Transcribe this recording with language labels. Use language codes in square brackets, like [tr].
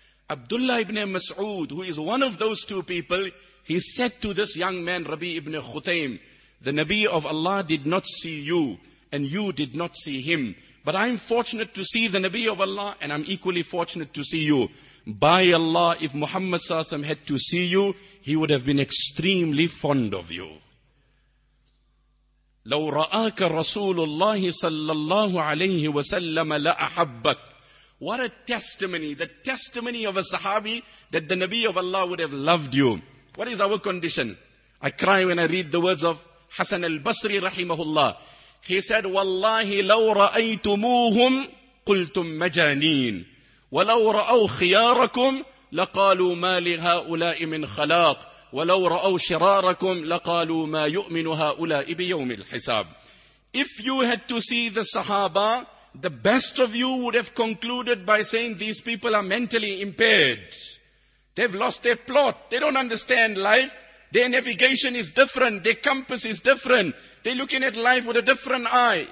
[en] Abdullah ibn Mas'ud, who is one of those 2 people, he said to this young man, Rabi ibn Khuthaym, the Nabi of Allah did not see you and you did not see him. But I'm fortunate to see the Nabi of Allah and I'm equally fortunate to see you. By Allah, if Muhammad Sallallahu Alaihi Wasallam had to see you, he would have been extremely fond of you. [ar] لو رآك رسول الله صلى الله عليه وسلم لأحبك. [en] What a testimony, the testimony of a Sahabi that the Nabi of Allah would have loved you. What is our condition? I cry when I read the words of Hassan al-Basri rahimahullah. He said, [ar] والله لو رأيتموهم قلتم مجانين. وَلَوْ رَأَوْ خِيَارَكُمْ لَقَالُوا مَا لِهَا أُولَاءِ مِنْ خَلَاقٍ ولو رأوا شراركم لقالوا ما يؤمن هؤلاء بيوم الحساب. [en] If you had to see the Sahaba, the best of you would have concluded by saying these people are mentally impaired. They've lost their plot. They don't understand life. Their navigation is different. Their compass is different. They're looking at life with a different eye.